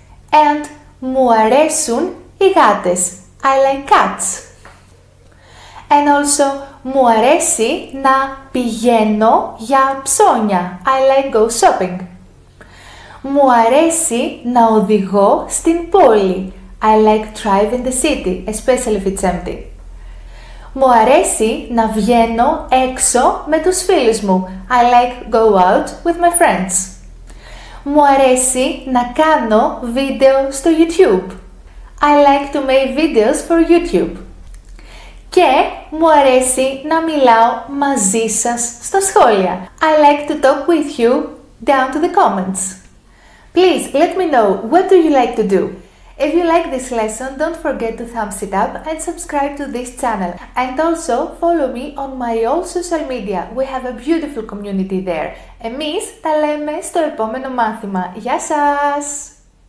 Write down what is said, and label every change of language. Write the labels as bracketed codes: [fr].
[el] And μου αρέσουν οι γάτες. [en] I like cats. And also, [el] μου αρέσει να πηγαίνω για ψώνια. [en] I like go shopping. [el] Μου αρέσει να οδηγώ στην πόλη. [en] I like drive in the city, especially if it's empty. [el] Μου αρέσει να βγαίνω έξω με τους φίλους μου. [en] I like go out with my friends. [el] Μου αρέσει να κάνω βίντεο στο YouTube. [en] I like to make videos for YouTube. [el] Και μου αρέσει να μιλάω μαζί σας στα σχόλια. [en] I like to talk with you down to the comments. Please, let me know, what do you like to do? If you like this lesson, don't forget to thumbs it up and subscribe to this channel. And also, follow me on my all social media. We have a beautiful community there. [el] Εμείς τα λέμε στο επόμενο μάθημα. Γεια σας!